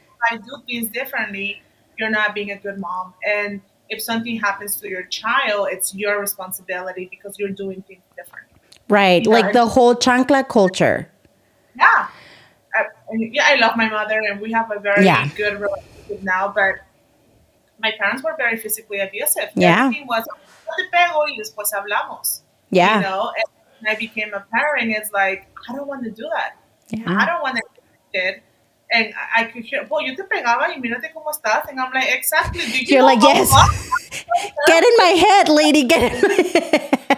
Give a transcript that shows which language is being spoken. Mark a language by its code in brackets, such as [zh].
[en] I do things differently. You're not being a good mom. And if something happens to your child, it's your responsibility because you're doing things different. Right. You know, like the whole chancla culture. Yeah. I love my mother and we have a very good relationship now, but my parents were very physically abusive. Yeah. Everything was, [es] te pego y después hablamos. [en] Yeah. You know, and when I became a parent, it's like, I don't want to do that. Yeah. I don't want to do that. And I could hear, well, [es] yo te pegaba y mírate cómo estás. [en] And I'm like, exactly. Do you You're know like, yes. Get in my head, lady. Get in my head.